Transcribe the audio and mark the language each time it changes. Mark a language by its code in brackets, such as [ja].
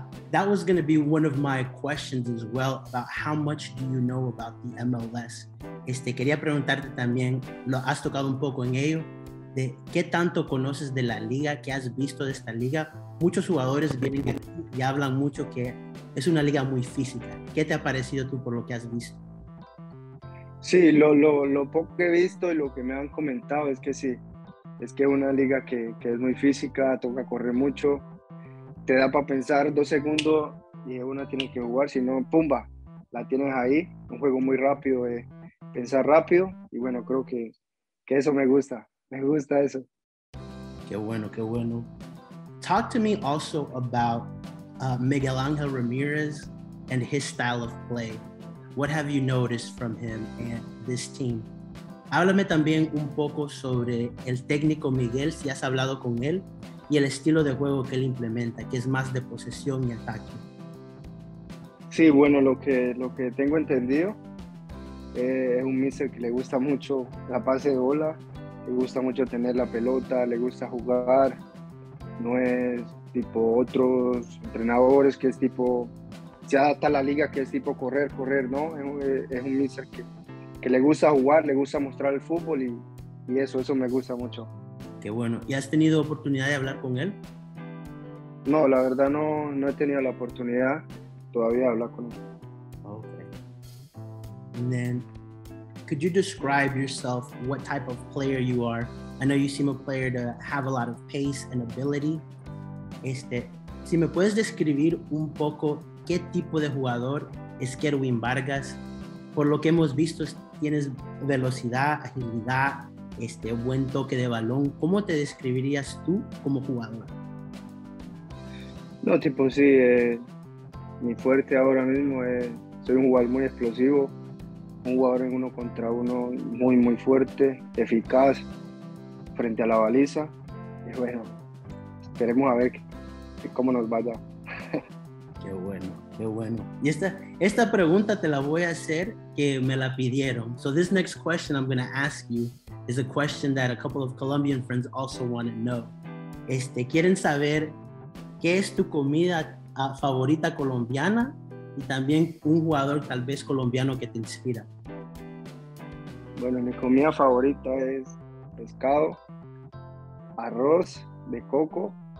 [en] That was going to be one of my questions as well, about how much do you know about the MLS. [es] Quería preguntarte también, lo has tocado un poco en ello, de qué tanto conoces de la liga, qué has visto de esta liga. Muchos jugadores vienen aquí y hablan mucho que es una liga muy física. ¿Qué te ha parecido tú por lo que has visto? Sí, lo poco que he visto y lo que me han comentado es que sí. Es que es una liga que es muy física, toca correr mucho, te da para pensar 2 segundos y una tiene que jugar, si no, pumba, la tienes ahí, un juego muy rápido, pensar rápido, y bueno, creo que eso me gusta eso. Qué bueno, qué bueno. [en] Talk to me also about Miguel Ángel Ramírez and his style of play. What have you noticed from him and this team? [es] Háblame también un poco sobre el técnico Miguel, si has hablado con él, y el estilo de juego que él implementa, que es más de posesión y ataque. Sí, bueno, lo que tengo entendido es un míster que le gusta mucho la pase de bola, le gusta mucho tener la pelota, le gusta jugar. No es tipo otros entrenadores que es tipo, se adapta a la liga, que es tipo correr, ¿no? Es un míster que le gusta jugar, le gusta mostrar el fútbol y eso me gusta mucho. Qué bueno. ¿Y has tenido oportunidad de hablar con él? No, la verdad no he tenido la oportunidad todavía de hablar con él. [en] Okay. And then, could you describe yourself, what type of player you are? I know you seem a player to have a lot of pace and ability. [es] Si me puedes describir un poco qué tipo de jugador es Kerwin Vargas, por lo que hemos visto, tienes velocidad, agilidad, buen toque de balón. ¿Cómo te describirías tú como jugador? No, tipo, sí, mi fuerte ahora mismo es, soy un jugador muy explosivo, un jugador en uno contra uno muy, muy fuerte, eficaz, frente a la baliza. Y bueno, esperemos a ver cómo nos vaya. Qué bueno. Qué bueno. Y esta pregunta te la voy a hacer que me la pidieron. [en] So this next question I'm going to ask you, is a question that a couple of Colombian friends also want to know. [es] Quieren saber qué es tu comida favorita colombiana y también un jugador tal vez colombiano que te inspira. Bueno, mi comida favorita es pescado, arroz de coco,